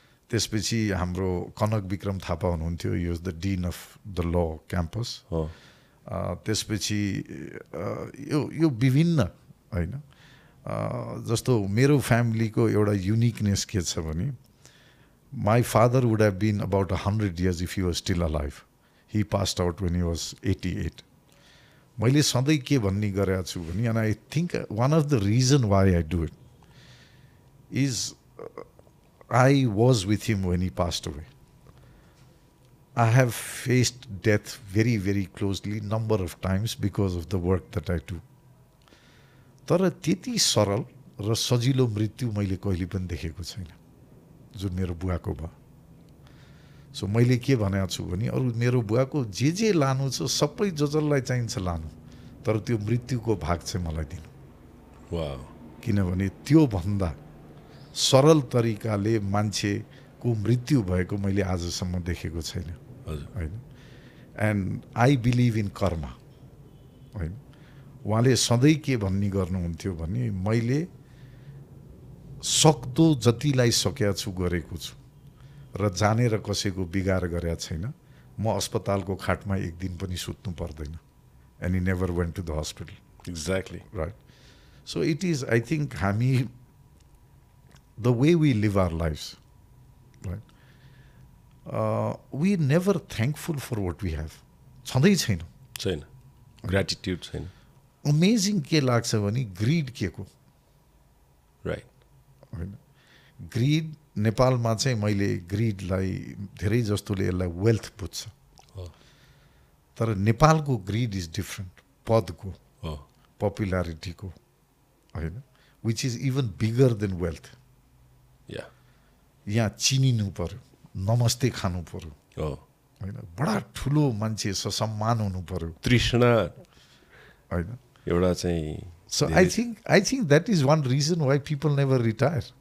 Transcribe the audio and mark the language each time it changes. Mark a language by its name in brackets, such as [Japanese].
[Nepali] त्यसपछि हाम्रो कनक विक्रम थापा हुनुहुन्थ्यो, [English] He was the dean of the law campus. [Nepali] त्यसपछि यो विभिन्न होइन जस्तो मेरो फ्यामिलीको एउटा युनिकनेस के छ भने [English] my father would have been about 100 years if he was still alive. He passed out when he was 88. [Nepali] maile sadai ke bhanni garya chu bhani, [English] and I think one of the reason why I do it is I was with him when he passed away. I have faced death very, very closely number of times because of the work that I do. [Nepali] tara teti saral ra sajilo mrityu maile kahile pani dekheko chaina जुन मेरो बुवाको भयो. So मैले के भनेको छु भने अरू मेरो बुवाको जे जे लानु छ सबै जजललाई चाहिन्छ लानु, तर त्यो मृत्युको भाग चाहिँ मलाई दिनु. वा किनभने त्योभन्दा सरल तरिकाले मान्छेको मृत्यु भएको मैले आजसम्म देखेको छैन. हजुर [English] होइन. And I believe in karma होइन. [Nepali] उहाँले सधैँ के भन्ने गर्नुहुन्थ्यो भने मैले सक्दो जतिलाई सकेका छु गरेको छु र जानेर कसैको बिगार गरेका छैन. म अस्पतालको खाटमा एक दिन पनि सुत्नु पर्दैन. [English] And he never went to the hospital. Exactly right. So it is I think [Nepali] हामी [English] the way we live our lives right we never thankful for what we have [Nepali] छँदै छैन. छैन ग्रेटिट्युड छैन. अमेजिङ के लाग्छ भने ग्रिड के को [English] right [Nepali] होइन. ग्रिड नेपालमा चाहिँ मैले ग्रिडलाई धेरै जस्तोले यसलाई वेल्थ बुझ्छ. तर नेपालको [English] Grid is different. [Nepali] पदको पपुलारिटीको होइन, [English] Which is even bigger than wealth. या [Nepali] यहाँ चिनिनु पर्यो, नमस्ते खानु पर्यो होइन, बडा ठुलो मान्छे ससम्मान हुनु पर्यो, तृष्णा होइन एउटा चाहिँ. [English] So yeah. I think that is one reason why people never retire.